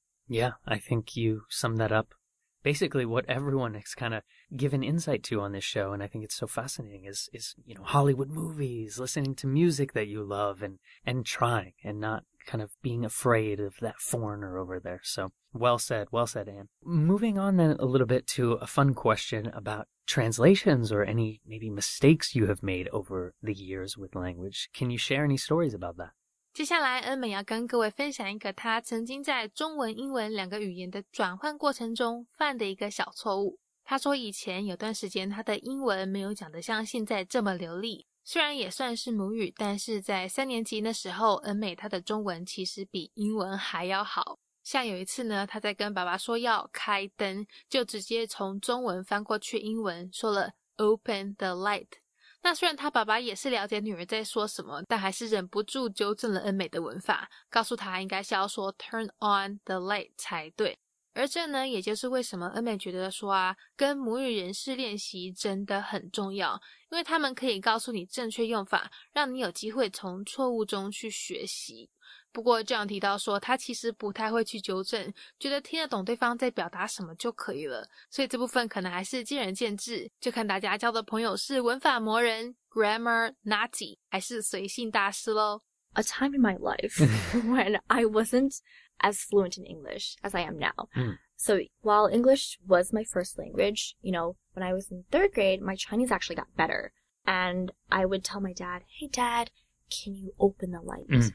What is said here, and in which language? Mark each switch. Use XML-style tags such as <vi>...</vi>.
<en>Yeah, I think you summed that up. Basically, what everyone has kind of given insight to on this show, and I think it's so fascinating, is you know, Hollywood movies, listening to music that you love, and trying, and not kind of being afraid of that foreigner over there. So, well said, Anne. Moving on then a little bit to a fun question about translations or any maybe mistakes you have made over the years with language. Can you share any stories about that?</en> <zh>接下来恩美要跟各位分享一个她曾经在中文英文两个语言的转换过程中犯的一个小错误。她说以前有段时间她的英文没有讲得像现在这么流利，虽然也算是母语，但是在三年级那时候，恩美她的中文其实比英文还要好。像有一次呢，她在跟爸爸说要开灯，就直接从中文翻过去英文说了</zh> <en>open the light.</en> <zh>那虽然他爸爸也是了解女儿在说什么，但还是忍不住纠正了恩美的文法，告诉他应该是要说</zh> <en>turn on the light</en> <zh>才对。而这呢，也就是为什么恩美觉得说啊，跟母语人士练习真的很重要，因为他们可以告诉你正确用法，让你有机会从错误中去学习。不过这样提到说，他其实不太会去纠正，觉得听得懂对方在表达什么就可以了，所以这部分可能还是见仁见智，就看大家交的朋友是文法魔人</zh> <en>Grammar Nazi</en> <zh>还是随性大师咯。</zh> <en>A time in my life when I wasn't as fluent in English as I am now. So while English was my first language, you know, when I was in third grade, my Chinese actually got better. And I would tell my dad, hey dad,can you open the light?</en>